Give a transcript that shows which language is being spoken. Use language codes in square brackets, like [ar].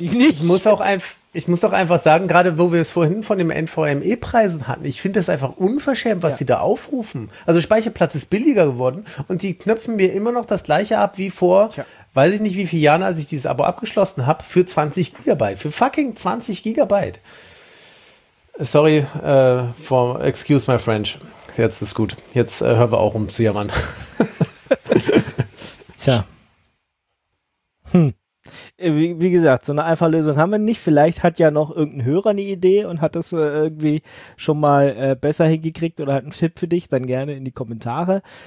[de] Ich muss auch einfach sagen, gerade wo wir es vorhin von den NVMe-Preisen hatten, ich finde das einfach unverschämt, was die da aufrufen. Also Speicherplatz ist billiger geworden und die knöpfen mir immer noch das gleiche ab wie vor, weiß ich nicht wie viele Jahren, als ich dieses Abo abgeschlossen habe, für 20 GB. Für fucking 20 GB. [en] Sorry, for excuse my French. [de] Jetzt ist gut. Jetzt hören wir auch um zu jammern. Tja. Wie gesagt, so eine einfache Lösung haben wir nicht. Vielleicht hat ja noch irgendein Hörer eine Idee und hat das irgendwie schon mal besser hingekriegt oder hat einen Tipp für dich, dann gerne in die Kommentare.